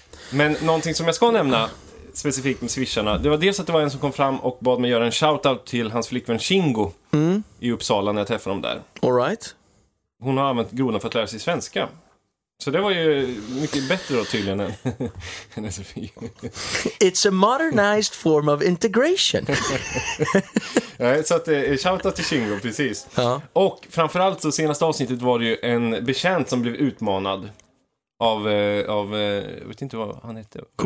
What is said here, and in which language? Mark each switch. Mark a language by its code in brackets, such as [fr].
[sv] Men någonting som jag ska nämna specifikt med swisharna. Det var dels att det var en som kom fram och bad mig göra en shoutout till hans flickvän Shingo i Uppsala när jag träffade dem där. [en] All right. [sv] Hon har använt grodan för att lära sig svenska. Så det var ju mycket bättre då tydligen än SFI. [en] It's a modernized form of integration. [sv] Så att shoutout till Shingo, precis. Ja. Och framförallt så senaste avsnittet var det ju en bekänt som blev utmanad. Av jag vet inte vad han heter.